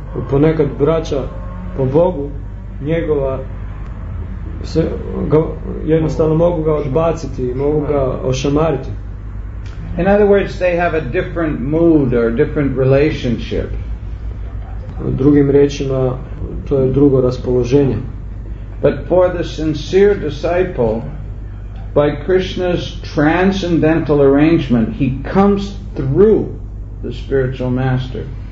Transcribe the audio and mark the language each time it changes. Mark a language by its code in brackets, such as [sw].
[sr] Ponekad braća po Bogu njegova se ga, jednostavno mogu ga odbaciti, mogu ga ošamariti. [en] In other words, they have a different mood or a different relationship. [sr] Drugim rečima, to je drugo raspoloženje. [en] But for the sincere disciple, by Krishna's transcendental arrangement, he comes through the spiritual master.